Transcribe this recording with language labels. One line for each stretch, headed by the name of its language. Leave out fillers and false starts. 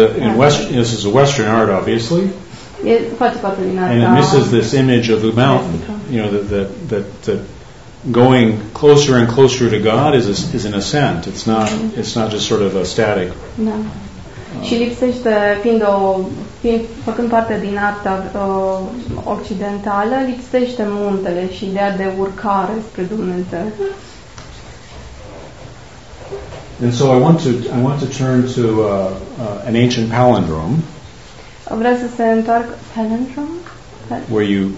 English: But in West, this is a Western art, obviously.
Romanian: Face parte din arta.
English: And it misses this image of the mountain, you know, that going closer and closer to God is an ascent. It's not just sort of a static.
Romanian: Da. Și lipsește, făcând parte din arta occidentală, lipsește muntele și ideea de urcare spre Dumnezeu.
English: And so I want to turn to an ancient palindrome.
Romanian: Vreau să se întoarc palindrome?